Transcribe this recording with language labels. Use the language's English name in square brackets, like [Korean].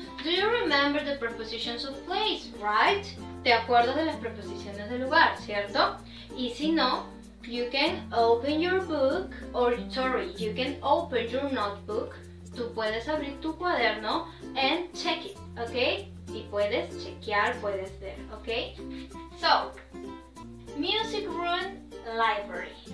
[English] Do you remember the prepositions of place, right? [Spanish] ¿Te acuerdas de las preposiciones de lugar, cierto? Y si no, [English] you can open your book, or sorry, you can open your notebook. [Spanish] Tú puedes abrir tu cuaderno [English] and check it, [Spanish] ¿ok? Y puedes chequear, puedes ver, ¿ok? [English] So, music room, library.